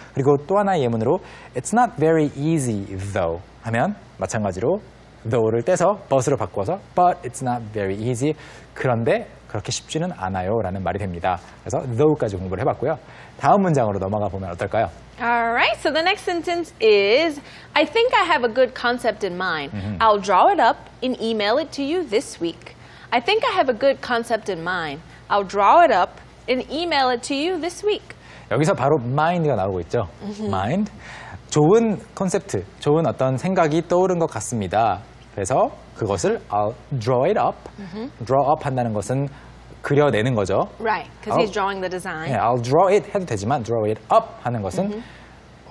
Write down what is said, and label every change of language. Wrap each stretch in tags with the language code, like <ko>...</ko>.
<ko>그리고 또 하나의 예문으로</ko> <en>it's not very easy, though.</en> <ko>하면 마찬가지로 though를 떼서 but으로 바꿔서</ko> <en>but it's not very easy.</en> <ko>그런데 그렇게 쉽지는 않아요 라는 말이 됩니다. 그래서 though까지 공부를 해봤고요. 다음 문장으로 넘어가 보면 어떨까요?</ko> <en>Alright, so the next sentence is I think I have a good concept in mind. Mm-hmm. I'll draw it up and email it to you this week. I think I have a good concept in mind. I'll draw it up and email it to you this week.</en> <ko>여기서 바로 mind가 나오고 있죠. Mm-hmm.</ko> <en>Mind.</en> <ko>좋은 콘셉트, 좋은 어떤 생각이 떠오른 것 같습니다. 그래서 그것을</ko> <en>I'll draw it up. Mm-hmm.</en> <ko>Draw up 한다는 것은 그려내는 거죠.</ko> <en>Right, because he's drawing the design. Yeah, I'll draw it</en> <ko>해도 되지만</ko> <en>draw it up</en> <ko>하는 것은</ko> <en>mm-hmm.</en>